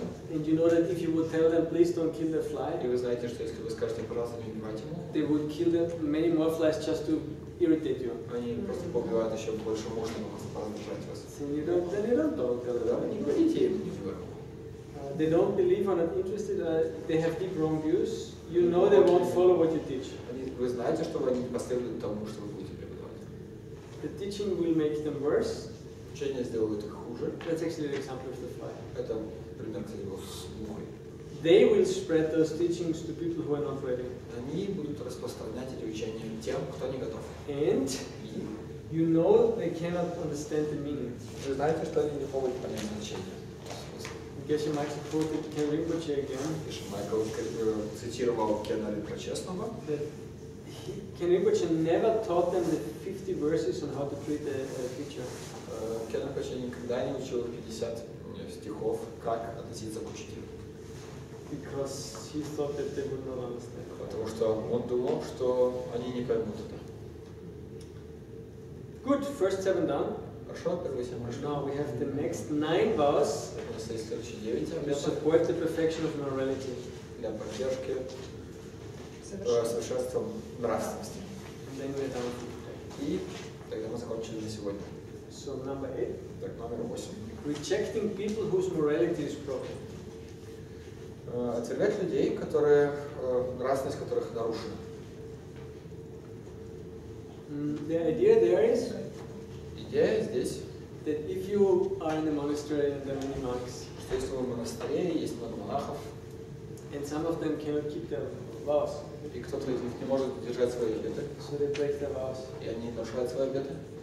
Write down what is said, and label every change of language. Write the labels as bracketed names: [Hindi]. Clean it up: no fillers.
[English] And you know that if you would tell them, please don't kill the fly. [Russian] И вы знаете, что если вы скажете, пожалуйста, не убивайте его. [English] They would kill many more flies just to irritate you. [Russian] Они просто побивают еще больше мух, чтобы вас раздражать вас. [English] They don't believe or not interested. They have deep wrong views. You know they won't follow what you teach. [Russian] Вы знаете, что они не последуют тому, что вы будете преподавать. [English] The teaching will make them worse. [Russian] Учение сделает их хуже. [English] That's actually an example of the fly. [Russian] Это пример, кстати, был с мухой. [English] They will spread those teachings to people who are not ready. [Russian] Они будут распространять эти учения тем, кто не готов. [English] And you know they cannot understand the meaning. [Russian] Вы знаете, что они не могут понять значение. [English] Geshe Michael quoted Ken Rinpoche again. [Russian] Geshe Michael цитировал Кена Ринпоче снова. [English] Ken Rinpoche never taught them the 50 verses on how to treat a teacher. [Russian] Ken Rinpoche никогда не учил 50 стихов, как относиться к учителю. [English] Because he thought that they would not understand. [Russian] Потому что он думал, что они не поймут это. [English] Good, first seven done. [Russian] Хорошо, первые семь прошли. [English] Now we have the next nine vows. [Russian] У нас есть следующие девять. [English] To support the perfection of morality. [Russian] Для поддержки совершенства нравственности. [English] And then we're done. [Russian] И тогда мы закончили на сегодня. [English] So number eight. [Russian] Так, номер восемь. [English] Rejecting people whose morality is broken. [Russian] Отвергать людей, которые нравственность которых нарушена. [English] The idea there is. [Russian] Идея здесь. [English] That if you are in a monastery and there are many monks. [Russian] Что если вы в монастыре и есть много монахов. [English] And some of them cannot keep their vows. [Russian] И кто-то из них не может держать свои обеты. [English] So they break their vows. [Russian] И они нарушают свои обеты.